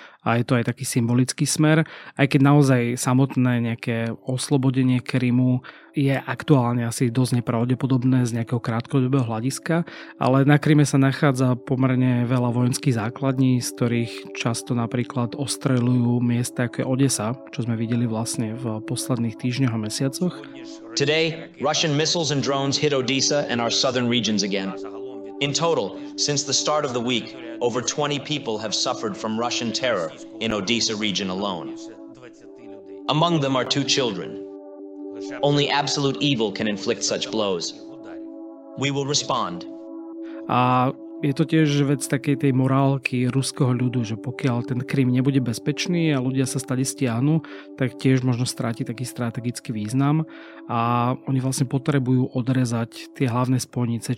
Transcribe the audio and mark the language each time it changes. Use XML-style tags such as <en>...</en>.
<sk>A je to aj taký symbolický smer. Aj keď naozaj samotné nejaké oslobodenie Krymu je aktuálne asi dosť nepravdepodobné z nejakého krátkodobého hľadiska. Ale na Kryme sa nachádza pomerne veľa vojenských základní, z ktorých často napríklad ostreľujú miesta ako je Odesa, čo sme videli vlastne v posledných týždňoch a mesiacoch.</sk> <en>Today, Russian missiles and drones hit Odessa and our southern regions again. In total, since the start of the week, over 20 people have suffered from Russian terror in Odessa region alone. Among them are two children. Only absolute evil can inflict such blows. We will respond.</en> <sk>A je to tiež vec takej tej morálky ruského ľudu, že pokiaľ ten Krym nebude bezpečný a ľudia sa stade stiahnu, tak tiež možno stráti taký strategický význam. A oni vlastne potrebujú odrezať tie hlavné spojnice.</sk>